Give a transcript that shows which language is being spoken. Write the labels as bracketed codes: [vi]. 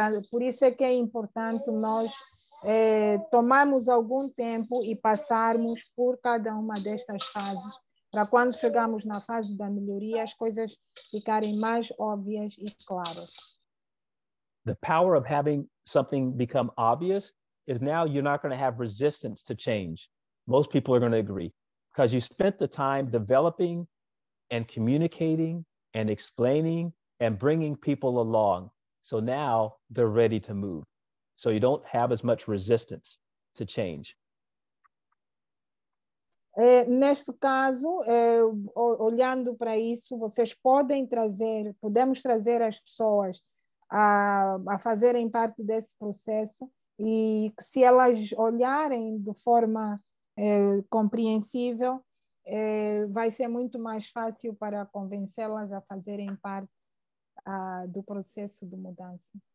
[pt] por isso é que é importante nós tomarmos algum tempo e passarmos por cada uma destas fases, para quando chegamos na fase da melhoria, as coisas ficarem mais óbvias e claras. [en] The power of having something become obvious is now you're not going to have resistance to change. Most people are going to agree. Because you spent the time developing and communicating and explaining and bringing people along. So now they're ready to move. So you don't have as much resistance to change. [pt] Neste caso, olhando para isso, vocês podemos trazer as pessoas a fazerem parte desse processo e se elas olharem de forma compreensível, vai ser muito mais fácil para convencê-las a fazerem parte do processo de mudança.